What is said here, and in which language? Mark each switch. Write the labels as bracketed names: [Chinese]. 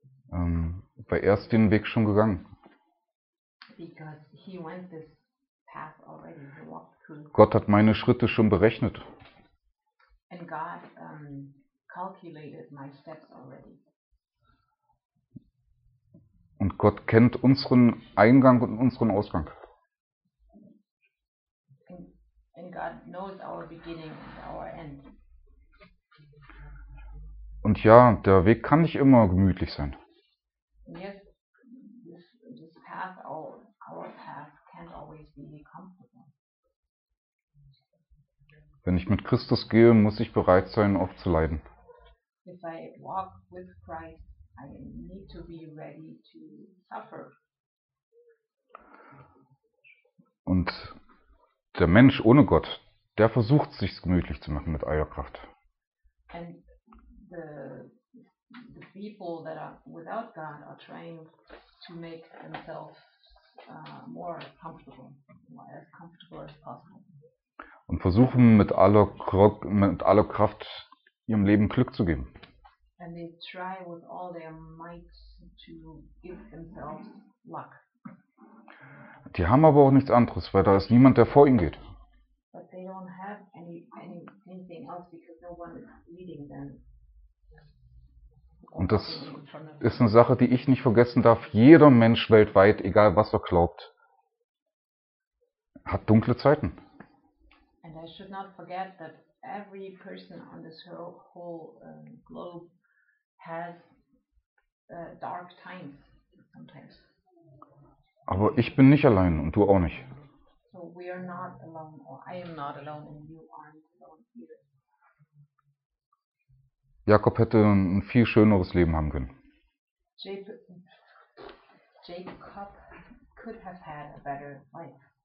[German] Weil er ist den Weg schon gegangen. [English] Because he went this path already. He walked through. [German] Gott hat meine Schritte schon berechnet. [English] And God calculated my steps already. [German] Und Gott kennt unseren Eingang und unseren Ausgang. [English] God knows our beginning and our end. [German] Und ja, der Weg kann nicht immer gemütlich sein. [English] Yes, this path, our path can't always be comfortable. [German] Wenn ich mit Christus gehe, muss ich bereit sein, oft zu leiden. [English] If I walk with Christ, I need to be ready to suffer. [German] Und der Mensch ohne Gott, der versucht, sich gemütlich zu machen mit eigener Kraft. [English] And the people that are without God are trying to make themselves more comfortable, as comfortable as possible. [German] Und versuchen mit aller Kraft ihrem Leben Glück zu geben. [English] And they try with all their might to give themselves luck. [German] Die haben aber auch nichts anderes, weil da ist niemand, der vor ihnen geht. [English] But they don't have anything else, because no one is leading them. [German] Und das ist eine Sache, die ich nicht vergessen darf. Jeder Mensch weltweit, egal was er glaubt, hat dunkle Zeiten. [English] And I should not forget that every person on this whole globe has dark times sometimes. [German] Aber ich bin nicht allein und du auch nicht. [English] So we are not alone, or I am not alone and you aren't alone either. [German] Jakob hätte ein viel schöneres Leben haben können. [English] Jacob could have had a better life.